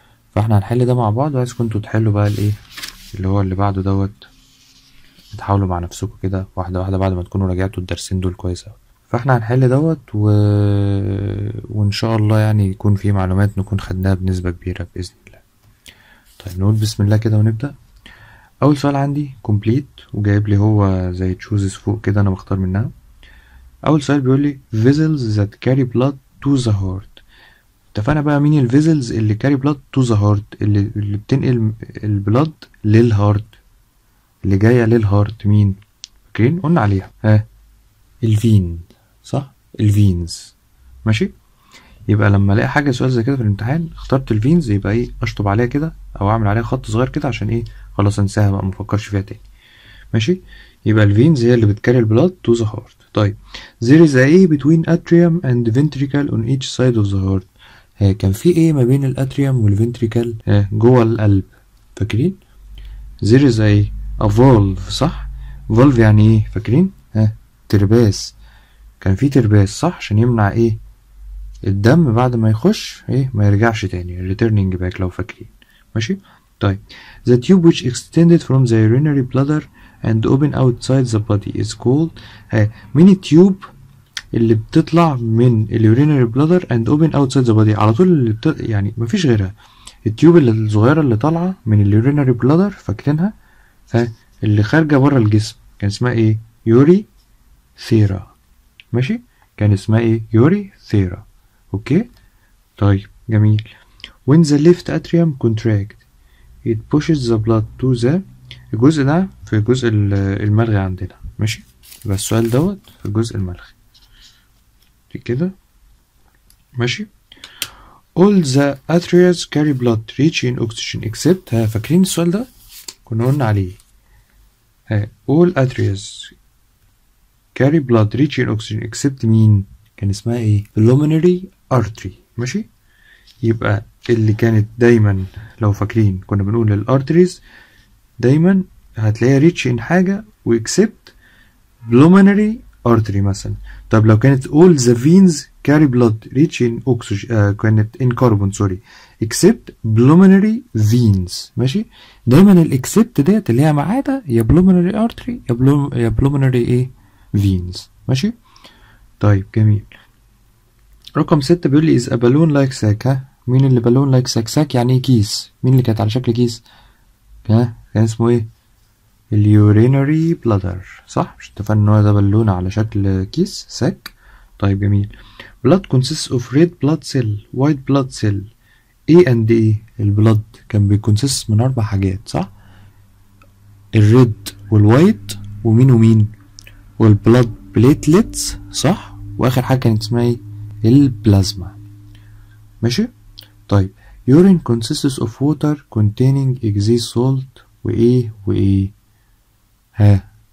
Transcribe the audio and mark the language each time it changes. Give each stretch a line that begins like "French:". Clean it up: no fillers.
Arabic: فاحنا هنحل ده مع بعض، وعايزكم انتوا تحلوا بقى الايه اللي هو اللي بعده دوت، تحاولوا مع نفسكم كده واحده واحده بعد ما تكونوا راجعتوا الدرسين دول كويس. فاحنا هنحل دوت وان شاء الله يعني يكون في معلومات نكون خدناها بنسبه كبيره باذن الله. طيب نقول بسم الله كده ونبدا. اول سؤال عندي كومبليت، وجايب لي هو زي تشوزز فوق كده انا بختار منها. اول سؤال بيقول لي
English: vessels that carry blood to the heart.
Arabic: اتفقنا بقى مين الفيزلز اللي
English: carry blood to the heart,
Arabic: اللي بتنقل البلاد للهارت، اللي جايه للهارت مين؟ فاكرين قلنا عليها؟ ها الفين، صح الفينز، ماشي. يبقى لما الاقي حاجه سؤال زي كده في الامتحان اخترت الفينز، يبقى ايه اشطب عليها كده او اعمل عليها خط صغير كده عشان ايه خلاص انساها بقى ما افكرش فيها تاني، ماشي. يبقى الفينز هي اللي بتكاري البلاد تو ذا هارت.
English: طيب there is a between atrium and ventricle on each side of the heart.
Arabic: كان في ايه ما بين الاتريوم والفنتريكل جوه القلب، فاكرين؟ زير زي افولف، صح فولف يعني ايه فاكرين؟ ترباس، كان في ترباس صح، عشان يمنع ايه الدم بعد ما يخش ايه ما يرجعش تاني، ريتيرنينج باك لو فاكرين، ماشي.
English: طيب the tube which extended from the urinary bladder and open outside the body is called.
Arabic: مين التيوب اللي بتطلع من اليورينري بلادر
English: and open outside the body
Arabic: على طول اللي يعني مفيش غيرها، التيوب اللي الصغيره اللي طالعه من اليورينري بلادر فاكرينها، فاللي خارجه بره الجسم كان اسمها ايه؟ يوري ثيرا، ماشي، كان اسمها ايه؟ يوري ثيرا، اوكي. طيب جميل.
English: when the left atrium contract it pushes the blood to the،
Arabic: الجزء ده في جزء الملغي عندنا، ماشي. يبقى السؤال دوت في الجزء الملغي كده، ماشي.
English: all the arteries carry blood rich in oxygen except،
Arabic: ها فاكرين السؤال ده كنا قلنا عليه،
English: ها all arteries carry blood rich in oxygen except
Arabic: مين؟ كان اسمها ايه؟
English: pulmonary artery، ماشي.
Arabic: يبقى اللي كانت دايما لو فاكرين كنا بنقول الارتريز دايما هتلاقيها rich in حاجه و
English: except pulmonary artery
Arabic: مثلا. طب لو كانت
English: all the veins carry blood rich in oxygen كانت in carbon sorry except pulmonary veins، ماشي.
Arabic: دايما ال except ديت اللي هي ما عدا يا
English: pulmonary artery
Arabic: يا
English: pulmonary veins،
Arabic: ماشي. طيب جميل. رقم 6 بيقول لي
English: is a balloon like sack.
Arabic: ها مين اللي
English: balloon like sack؟
Arabic: sack يعني ايه كيس؟ مين اللي كانت على شكل كيس؟ ها كان اسمه ايه؟ اليورينري بلادر، صح؟ مش اتفقنا ان هو ده بالونه على شكل كيس ساك؟ طيب جميل.
English: blood consists of red blood cell white blood cell A and A.
Arabic: البلد كان بيكونسيس من اربع حاجات، صح؟ الريد والوايت ومين ومين؟ والبلد بليتلتس، صح؟ واخر حاجه كانت اسمها ايه؟ البلازما، ماشي؟ طيب
English: urine consists of water containing excess salt
Arabic: وايه وايه؟ ها